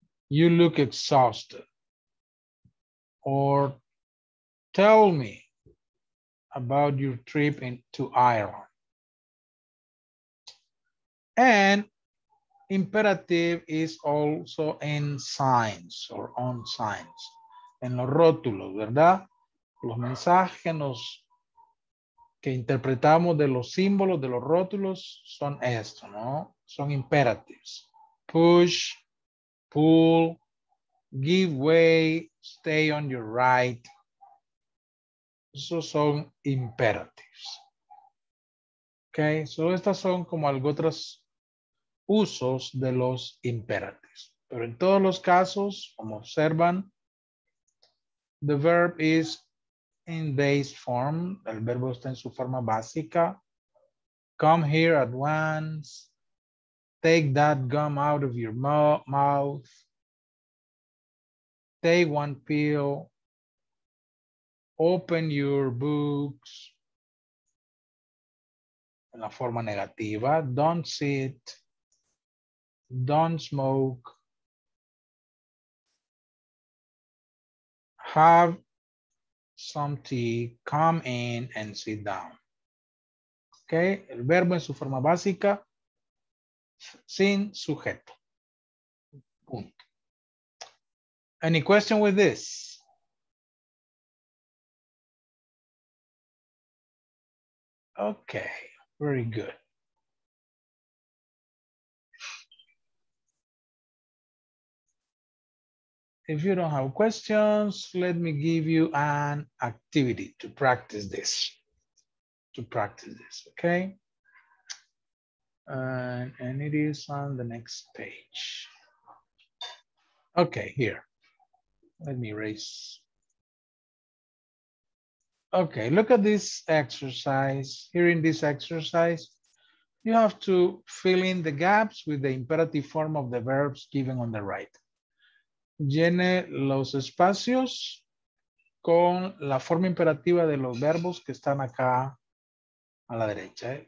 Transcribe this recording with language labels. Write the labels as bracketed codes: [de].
[en] You look exhausted. Or tell me about your trip to Ireland. And imperative is also in signs or on signs. [es] En los rótulos, ¿verdad? Los mensajes que interpretamos de los símbolos de los rótulos son esto, ¿no? Son imperatives. [en] Push, pull, give way, stay on your right. [es] Esos son imperatives. Okay, so estas son como algunos usos de los imperatives. Pero en todos los casos, como observan, [en] the verb is in base form. [es] El verbo está en su forma básica. [en] Come here at once. Take that gum out of your mouth. Take one pill. Open your books. [es] En la forma negativa, [en] don't sit, don't smoke, have some tea, come in and sit down. [es] Okay, el verbo en su forma básica, sin sujeto. Punto. [en] Any question with this? Okay. Very good. If you don't have questions, let me give you an activity to practice this. Okay? And it is on the next page. Okay, here. Let me erase. Okay, look at this exercise. Here in this exercise, you have to fill in the gaps with the imperative form of the verbs given on the right. [es] Llene los espacios con la forma imperativa de los verbos que están acá a la derecha.